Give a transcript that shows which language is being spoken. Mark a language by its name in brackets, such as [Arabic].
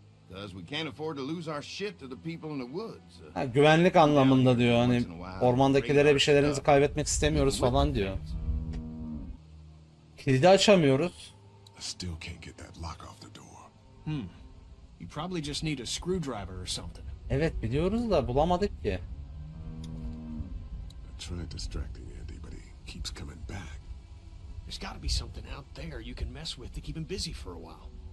[English] Because we can't afford to lose our shit to the people in the woods. [Turkish] Ha, güvenlik anlamında diyor, hani ormandakilere bir şeylerimizi kaybetmek istemiyoruz falan diyor. Kilidi açamıyoruz. [English] I still can't get that lock off the door. Hmm. You probably just need a screwdriver or something. [Turkish] Evet, biliyoruz da bulamadık ki. [English] Trying to distract Andy, but he keeps coming back. There's got to be something out there you can mess with to keep him busy for a while.